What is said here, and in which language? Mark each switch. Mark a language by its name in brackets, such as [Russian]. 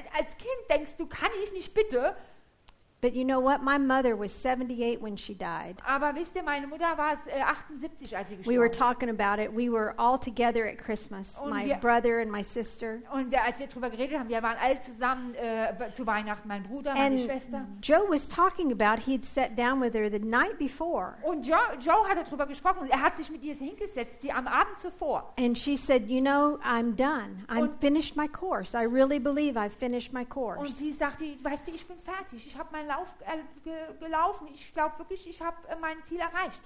[German] Als Kind denkst du, kann ich nicht bitte? [English] But you know what? My mother was 78 when she died. [German] Aber wisst ihr, meine Mutter war 78, als sie gestorben. [English] We were talking about it. We were all together at Christmas. Brother and my sister. [German] Und als wir drüber geredet haben, wir waren alle zusammen zu Weihnachten, mein Bruder, [English] and [German] meine Schwester. [English] And Joe was talking about he'd sat down with her the night before. [German] Und Joe hat darüber gesprochen. Er hat sich mit ihr hingesetzt, die am Abend zuvor. [English] And she said, "You know, I'm done. I've finished my course. I really believe I've finished my course." [German] Und sie sagte, weißt du, ich bin fertig. Ich habe meinen Lauf gelaufen. Ich glaube wirklich, ich habe mein Ziel erreicht.